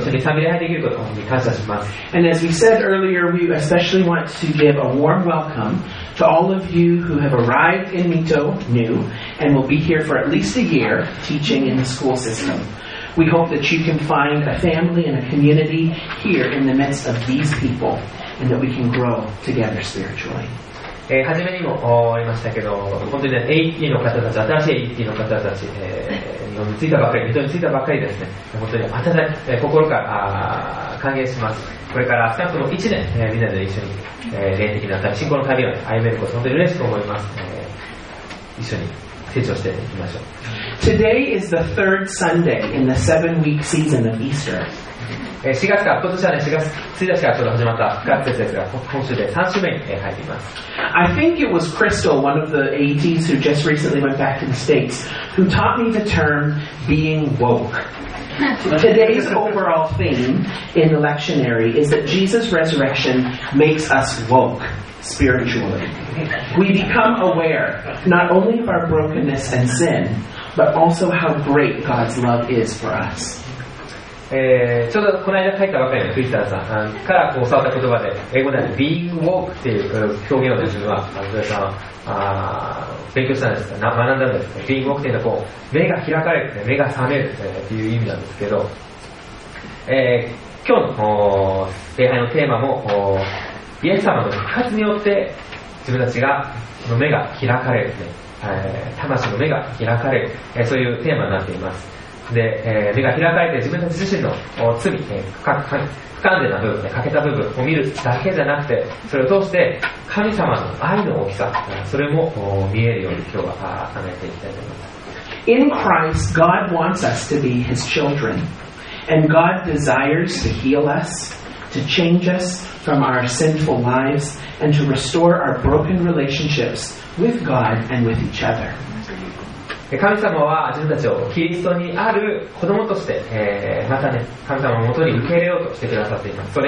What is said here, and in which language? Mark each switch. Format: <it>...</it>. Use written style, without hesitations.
<en>And as we said earlier, we especially want to give a warm welcome to all of you who have arrived in Mito new and will be here for at least a year teaching in the school system. We hope that you can find a family and a community here in the midst of these people and that we can grow together spiritually.</en> <ja>初めにも言いましたけど、本当に、ね、AT の方たち、新しい AT の方たち、水戸についたばかりですね、本当に温かい、心から歓迎します。これから少なくとも1年、みんなで一緒に、霊的な信仰の旅を歩めること本当に嬉しく思います。一緒に成長していきましょう。</ja> <en>Today is the third Sunday in the 7-week season of Easter.</en> <ja>4月か、今年は、ね、4月1日からちょうど始まった復活節ですが、今週で3週目に入っています。</ja> <en>I think it was Crystal, one of the ATs who just recently went back to the States, who taught me the term being woke. Today's overall theme in the lectionary is that Jesus' resurrection makes us woke spiritually. We become aware not only of our brokenness and sin, but also how great God's love is for us.</en> <ja>ちょうどこの間書いたばかりのクリスターさんから教わった言葉で、英語で being woke という表現を自分は勉強したんですが、学んだんですが、 being woke というのはこう目が開かれて目が覚めるという意味なんですけど、今日の礼拝のテーマもイエス様の復活によって自分たちがの目が開かれる、魂の目が開かれる、そういうテーマになっています。で、目が開かれて自分たち自身の罪、不完全な部分、欠けた部分を見るだけじゃなくて、それを通して神様の愛の大きさ、それも見えるように今日は考えていきたいと思います。</ja> <en>In Christ, God wants us to be His children, and God desires to heal us, to change us from our sinful lives, and to restore our broken relationships with God and with each other.</en> <ja>神様は自分たちをキリストにある子供として、またね、神様のもとに受け入れようとしてくださっています。</ja>